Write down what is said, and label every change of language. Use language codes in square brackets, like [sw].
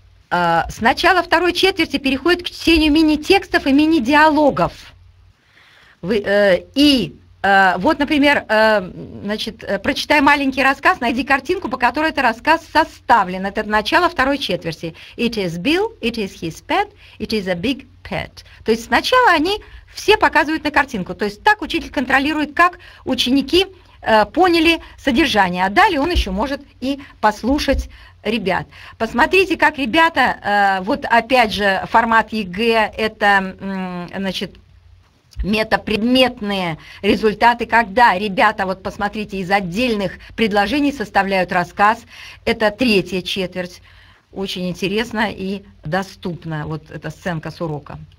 [ru] С начала второй четверти переходит к чтению мини-текстов и мини-диалогов. Вот, например, значит, прочитай маленький рассказ, найди картинку, по которой этот рассказ составлен. Это начало второй четверти. [en] It is Bill, it is his pet, it is a big pet. [ru] То есть сначала они все показывают на картинку. То есть так учитель контролирует, как ученики поняли содержание. А далее он еще может и послушать. Ребят, посмотрите, как ребята, вот опять же, формат ЕГЭ, это, значит, метапредметные результаты, когда ребята, вот посмотрите, из отдельных предложений составляют рассказ, это третья четверть, очень интересно и доступно, вот эта сценка с урока.